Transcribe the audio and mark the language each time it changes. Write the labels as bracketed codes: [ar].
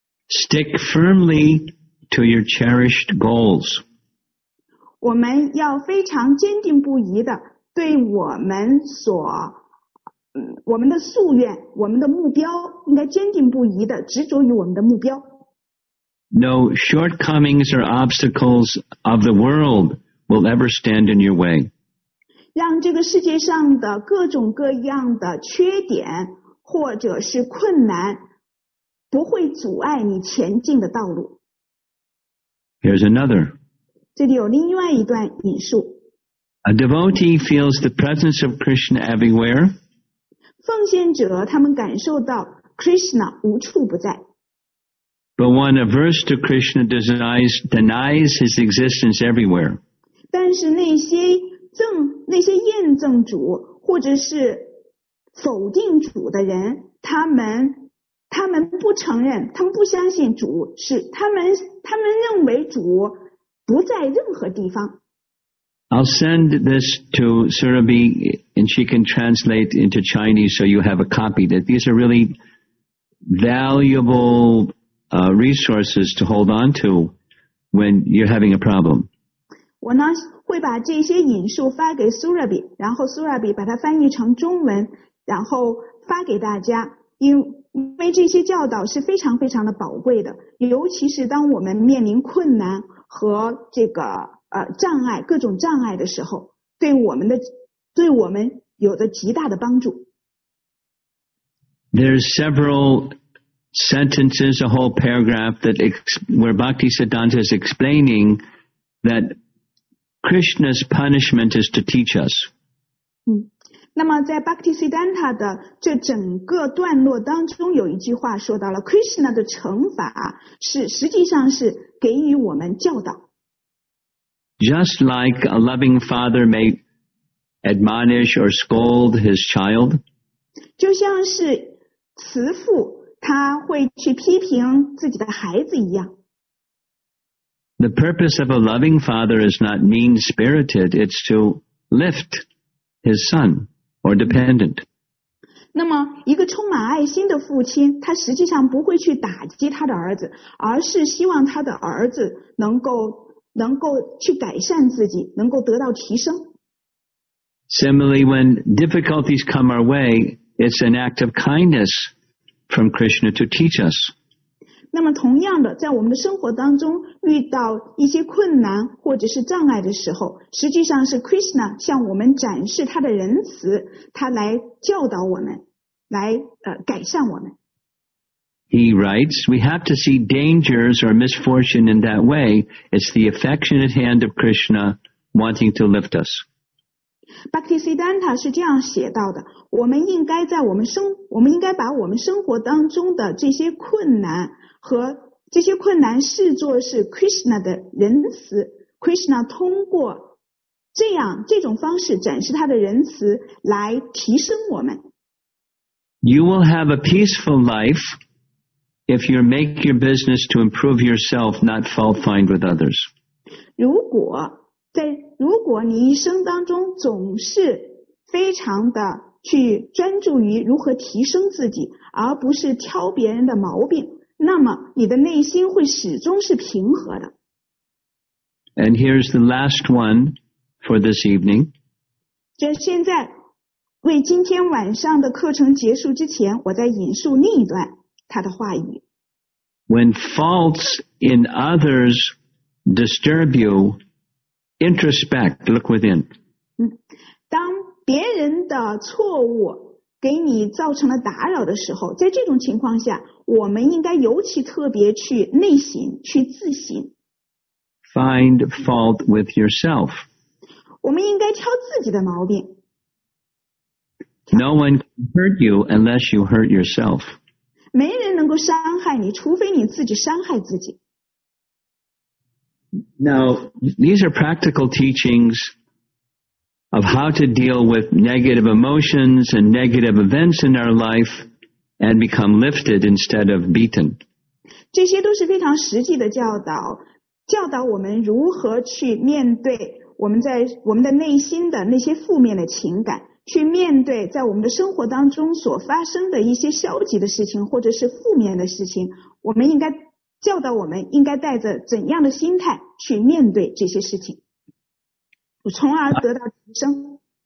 [en] Stick firmly to your cherished goals. [zh] 我们要非常坚定不移的对我们的夙愿，我们的目标，应该坚定不移的执着于我们的目标。 [en] No shortcomings or obstacles of the world will ever stand in your way. [zh] 让这个世界上的各种各样的缺点或者是困难不会阻碍你前进的道路。 [en] Here's another. [zh] 这里有另外一段引述。 [en] A devotee feels the presence of Krishna everywhere. [zh] 奉献者他们感受到 Krishna 无处不在。 [en] But one averse to Krishna denies his existence everywhere. [zh] 但是那些厌憎主或者是否定主的人，他们不承认，他们不相信主是他们认为主不在任何地方。 [en] I'll send this to Surabhi and she can translate into Chinese so you have a copy. That these are really valuable, resources to hold on to when you're having a problem. [zh] 我呢会把这些引述发给 Surabhi, 然后 Surabhi 把它翻译成中文然后发给大家。因为这些教导是非常非常的宝贵的。尤其是当我们面临困难和这个障碍各种障碍的时候对我们有着极大的帮助。 [en] There's several sentences, a whole paragraph where Bhaktisiddhanta is explaining that Krishna's punishment is to teach us. [zh] 那么在 Bhaktisiddhanta 的这整个段落当中有一句话说到了 Krishna 的惩罚是实际上是给予我们教导。 [en] Just like a loving father may admonish or scold his child. [zh] 就像是慈父他会去批评自己的孩子一样。 [en] The purpose of a loving father is not mean-spirited, it's to lift his son or dependent. [zh] 那么一个充满爱心的父亲他实际上不会去打击他的儿子而是希望他的儿子能够去改善自己能够得到提升。 [en] Similarly, when difficulties come our way, it's an act of kindness from Krishna to teach us. [zh] 那么同样的在我们的生活当中遇到一些困难或者是障碍的时候实际上是 Krishna 向我们展示他的仁慈他来教导我们来改善我们。 [en] He writes, we have to see dangers or misfortune in that way. It's the affectionate hand of Krishna wanting to lift us. [zh] Bhaktisiddhanta 是这样写到的，我们应该把我们生活当中的这些困难和这些困难视作是 Krishna 的仁慈。 Krishna 通过这种方式展示他的仁慈来提升我们。 [en] You will have a peaceful life. If you make your business to improve yourself, not fault find with others. [zh] 如果你一生当中总是非常的去专注于如何提升自己，而不是挑别人的毛病，那么你的内心会始终是平和的。 [en] And here's the last one for this evening. [zh] 这现在为今天晚上的课程结束之前，我再引述另一段他的话语。 [en] When faults in others disturb you, introspect, look within. [zh] 当别人的错误给你造成了打扰的时候，在这种情况下，我们应该尤其特别去内省，去自省。 [en] Find fault with yourself. [zh] 我们应该挑自己的毛病。 [en] No one can hurt you unless you hurt yourself. [zh] 没人能够伤害你，除非你自己伤害自己。 [en] Now, these are practical teachings of how to deal with negative emotions and negative events in our life and become lifted instead of beaten. [zh] 这些都是非常实际的教导，教导我们如何去面对我们在我们的内心的那些负面的情感，去面对在我们的生活当中所发生的一些消极的事情或者是负面的事情，我们应该教导我们应该带着怎样的心态去面对这些事情，从而得到提升。